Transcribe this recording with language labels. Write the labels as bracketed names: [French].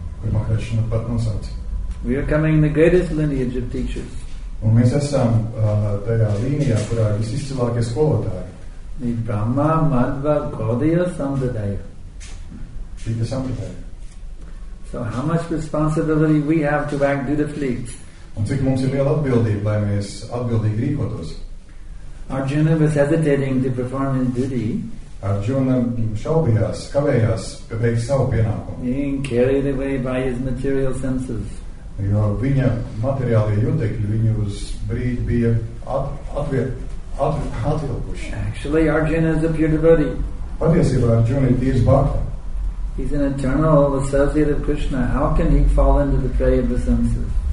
[English] We are coming in the greatest lineage of teachers. The Brahma Madhva Gaudiya Sampradaya. So how much responsibility we have to act dutifully. [Latvian] Un cik mums ir liela atbildība, lai mēs atbildīgi rīkotos. [English] Arjuna was hesitating to perform his duty. [Latvian] Arjuna šaubījās, kavējās, ka veikt savu pienākumu. [English] Being carried away by his material senses. [Latvian] Jo viņa materiālie jūtekļi viņu uz brīdi bija atvilkuši. [English] Actually, Arjuna is a pure devotee. [Latvian] Patiesībā Arjuna ir tīrs bhakta. [English] He's an eternal associate of Krishna. How can he fall into the prey of the senses?